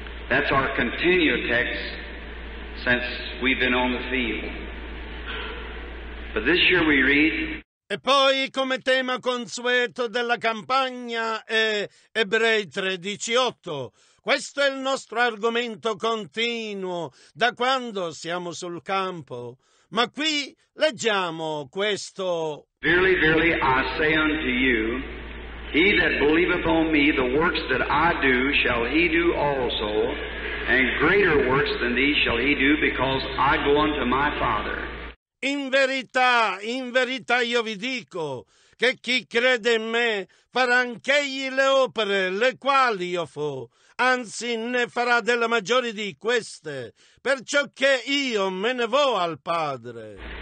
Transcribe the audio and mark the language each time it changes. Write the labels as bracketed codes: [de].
[en] That's our continual text since we've been on the field. But this year we read. [it] E poi, come tema consueto della campagna, è Ebrei 13:8. Questo è il nostro argomento continuo da quando siamo sul campo. Ma qui leggiamo questo. [en] Verily, verily, I say unto you, he that believeth on me, the works that I do, shall he do also, and greater works than these shall he do, because I go unto my Father. [it] In verità io vi dico che chi crede in me farà anch'egli le opere le quali io fo, anzi ne farà delle maggiori di queste, perciò che io me ne vo al Padre.